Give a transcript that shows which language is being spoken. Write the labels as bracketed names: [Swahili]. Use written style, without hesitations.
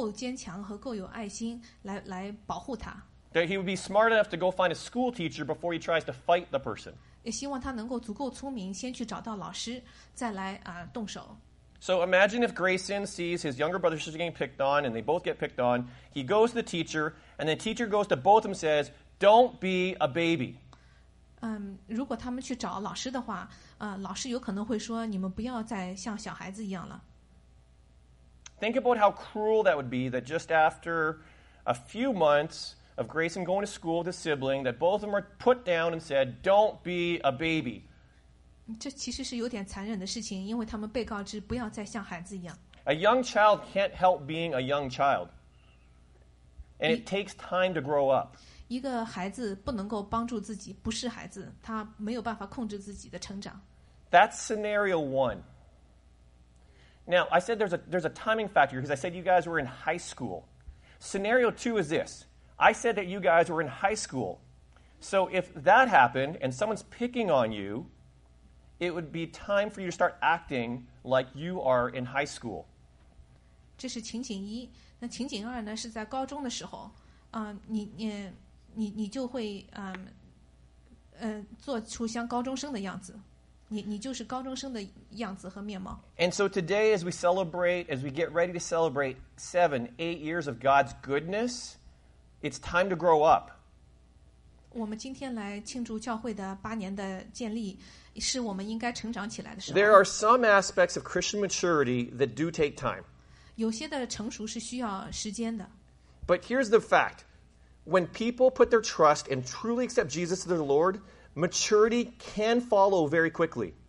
[Chinese] 我希望我的大儿子能够有够坚强和够有爱心来保护他。 [English] That he would be smart enough to go find a school teacher before he tries to fight the person. [Chinese] 也希望他能够足够聪明，先去找到老师，再来动手。 [English] So imagine if Grayson sees his younger brother sister getting picked on, and they both get picked on. He goes to the teacher, and the teacher goes to both of them and says, don't be a baby. [Chinese] 如果他们去找老师的话, 老师有可能会说, 你们不要再像小孩子一样了。 [English] Think about how cruel that would be that just after a few months of Grayson going to school with a sibling, that both of them were put down and said, don't be a baby. [Chinese] 这其实是有点残忍的事情，因为他们被告知不要再像孩子一样。 [English] A young child can't help being a young child. And it takes time to grow up. [Chinese] 一个孩子不能够帮助自己，不是孩子，他没有办法控制自己的成长。 [English] That's scenario one. Now, I said there's a timing factor because I said you guys were in high school. Scenario two is this. I said that you guys were in high school. So if that happened and someone's picking on you, it would be time for you to start acting like you are in high school. [Chinese] 这是情景一。那情景二呢，是在高中的时候，你就会做出像高中生的样子，你就是高中生的样子和面貌。 [English] And so today, as we get ready to celebrate 7-8 years of God's goodness, it's time to grow up. [Chinese] 我们今天来庆祝教会的八年的建立，是我们应该成长起来的时候。 [English] There are some aspects of Christian maturity that do take time. [Chinese] 有些的成熟是需要时间的。 [English] But here's the fact. When people put their trust and truly accept Jesus as their Lord, maturity can follow very quickly.